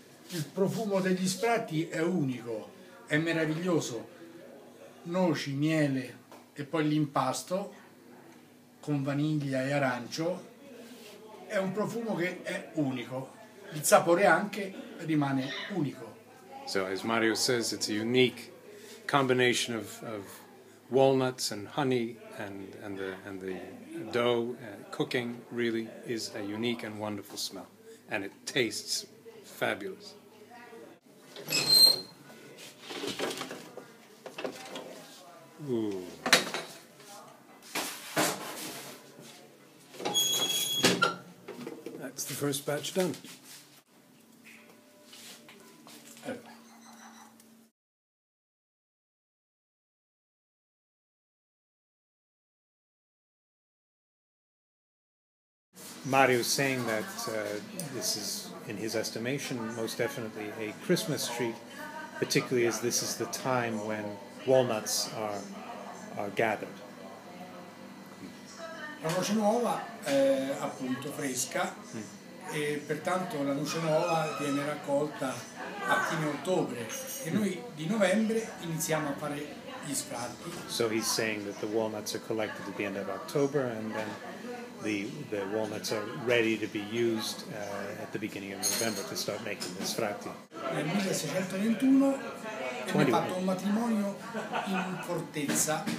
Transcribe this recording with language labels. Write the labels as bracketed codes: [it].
[it] Il profumo degli sfratti è unico, è meraviglioso. Noci, miele e poi l'impasto con vaniglia e arancio è un profumo che è unico. Il sapore anche rimane unico. [en] So as Mario says, it's a unique combination of walnuts and honey and the dough cooking really is a unique and wonderful smell, and it tastes fabulous. Ooh. That's the first batch done. Mario is saying that this is, in his estimation, most definitely a Christmas treat, particularly as this is the time when walnuts are gathered. [it] La noce nuova è appunto fresca e pertanto la noce nuova viene raccolta a fine ottobre e noi di novembre iniziamo a fare gli sfratti. [en] So he's saying that the walnuts are collected at the end of October and then the walnuts are ready to be used at the beginning of November to start making the sfratti. [it] Nel 1621 viene fatto un matrimonio in fortezza.